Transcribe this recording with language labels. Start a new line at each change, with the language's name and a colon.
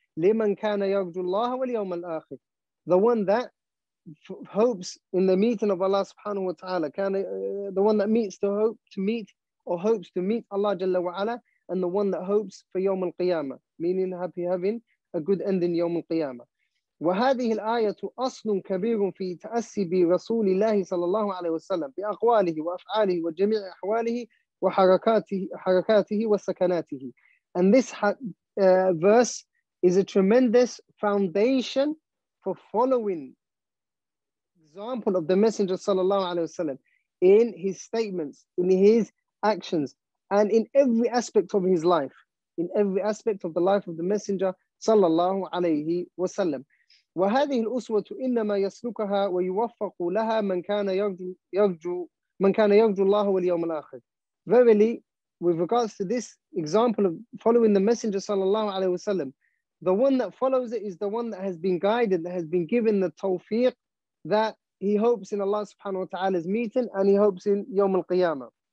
Arabic: لِمَنْ كَانَ يَرْجُو اللَّهَ وَالْيَوْمَ الْآخِرِ.
English: The one that hopes in the meeting of Allah subhanahu wa ta'ala, the one that hopes to meet Allah jalla wa ala, and the one that hopes for yawm al-qiyamah, meaning happy having a good ending yawm al-qiyamah.
Arabic: وهذه الآية أصل كبير في تأسي برسول الله صلى الله عليه وسلم بأقواله وأفعاله وجميع أحواله وحركاته وسكناته.
English: And this verse is a tremendous foundation for following example of the messenger sallallahu alaihi wasallam in his statements, in his actions, and in every aspect of his life, in every aspect of the life of the messenger sallallahu alaihi wasallam.
Arabic: وهذه الأسوة إنما يسلكها ويوفق لها من كان يرجو الله واليوم الآخر.
English: Verily, with regards to this example of following the messenger sallallahu alaihi wasallam, the one that follows it is the one that has been guided, that has been given the tawfiq, that he hopes in Allah subhanahu wa ta'ala's meeting, and he hopes in yawm al-qiyamah.